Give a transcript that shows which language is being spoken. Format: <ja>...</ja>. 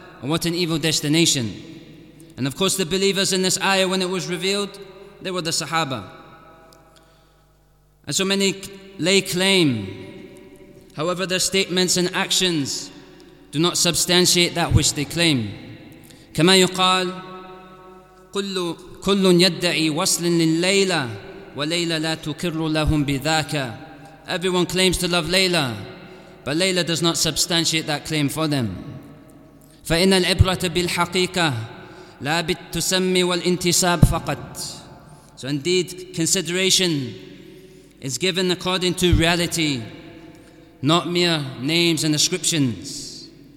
<en>And what an evil destination. And of course the believers in this ayah, when it was revealed, they were the Sahaba. And so many lay claim, however their statements and actions do not substantiate that which they claim.</en> <ar>كما يقال كل يدعي وصل للليلة وليلة لا تكر لهم بذاك.</ar> <en>Everyone claims to love Layla, but Layla does not substantiate that claim for them.</en> <ar>فَإِنَّ الْعِبْرَةَ بِالْحَقِيقَةِ لَا بِالتُسَمِّي وَالْإِنْتِسَابِ فَقَطْ.</ar> <en>So indeed, consideration is given according to reality, not mere names and ascriptions.</en>